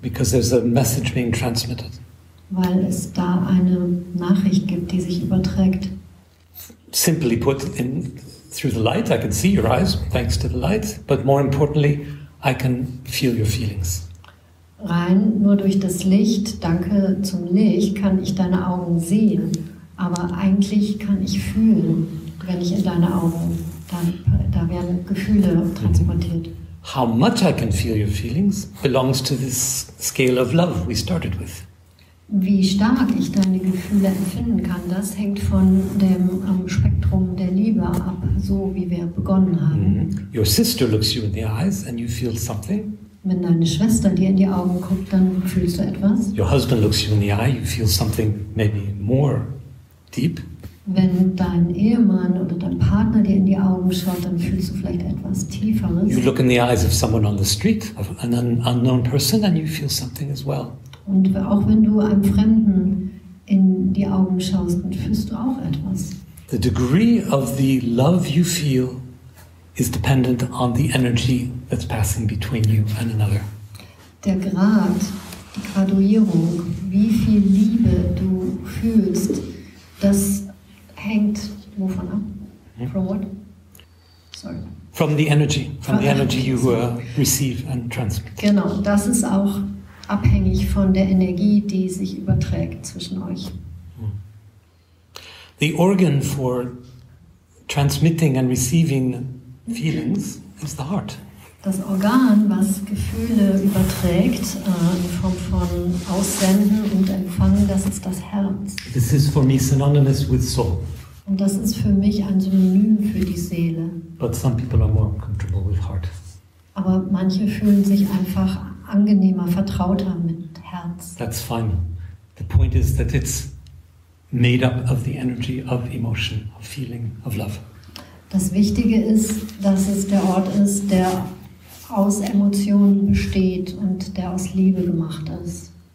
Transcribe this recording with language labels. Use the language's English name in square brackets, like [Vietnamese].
[English] Because there's a message being transmitted. [German] Weil es da eine Nachricht gibt, die sich überträgt. [English] Simply put, in through the light, I can see your eyes, thanks to the light. But more importantly, I can feel your feelings. [German] Rein nur durch das Licht, danke zum Licht, kann ich deine Augen sehen. Aber eigentlich kann ich fühlen, wenn ich in deine Augen, da werden Gefühle transportiert. [English] How much I can feel your feelings belongs to this scale of love we started with. [German] Wie stark ich deine Gefühle empfinden kann, das hängt von dem Spektrum der Liebe ab, so wie wir begonnen haben. [English] Your sister looks you in the eyes and you feel something. [German] Wenn deine Schwester dir in die Augen guckt, dann fühlst du etwas. [English] Your husband looks you in the eye, you feel something maybe more deep. [German] Wenn dein Ehemann oder dein Partner dir in die Augen schaut, dann fühlst du vielleicht etwas Tieferes. [English] You look in the eyes of someone on the street, of an unknown person, and you feel something as well. [German] Und auch wenn du einem Fremden in die Augen schaust, dann fühlst du auch etwas. [English] The degree of the love you feel is dependent on the energy that's passing between you and another. [German] Der Grad, die Graduierung, wie viel Liebe du fühlst, das hängt Wovon ab? Mm-hmm. [English] From what? Sorry. From the energy. From the energy you receive and transmit. [German] Genau, das ist auch abhängig von der Energie, die sich überträgt zwischen euch. [English] The organ for transmitting and receiving feelings is the heart. [German] Das Organ, was Gefühle überträgt, in Form von Aussenden und Empfangen, das ist das Herz. [English] This is for me synonymous with soul. [German] Und das ist für mich ein Synonym für die Seele. [English] But some people are more comfortable with heart. [German] Aber manche fühlen sich einfach angenehmer, vertrauter mit Herz. [English] That's fine. The point is that it's made up of the energy of emotion, of feeling, of love. [German] Das Wichtige ist, dass es der Ort ist, der aus Emotionen besteht und der aus Liebe gemacht ist.